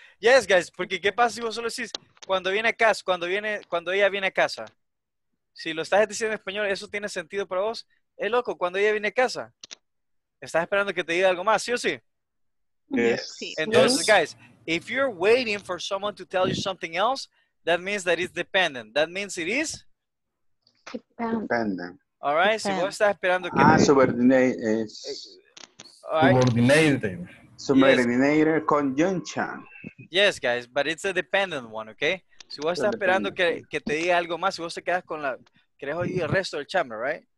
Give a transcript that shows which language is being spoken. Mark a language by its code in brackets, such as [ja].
[en] Yes, guys, [es] porque ¿qué pasa si vos solo decís cuando viene a casa, cuando ella viene a casa? Si lo estás diciendo en español, ¿eso tiene sentido para vos? Es loco, cuando ella viene a casa. ¿Estás esperando que te diga algo más, sí o sí? [en] Yes. Entonces, guys, if you're waiting for someone to tell you something else, that means that it's dependent. That means it is? Dependent. All right, so what's that esperando? Ah, subordinate is subordinated. Subordinated conjunction. Yes, guys, but it's a dependent one, okay? [es] Si vos estás esperando que te diga algo más, si vos te quedas con la, querés oír el resto del chamber, [en] right?